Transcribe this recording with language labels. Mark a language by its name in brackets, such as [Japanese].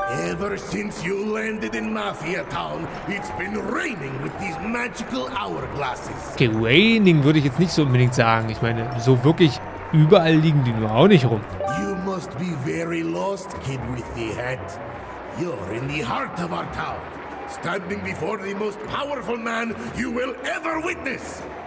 [English] Ever since you landed in Mafia Town, it's been raining with these magical hourglasses. [German] Okay, raining würde ich jetzt nicht so unbedingt sagen. Ich meine, so wirklich überall liegen die nur auch nicht rum. [English] You must be very lost, kid with the hat. You're in the heart of our town, standing before the most powerful man you will ever witness.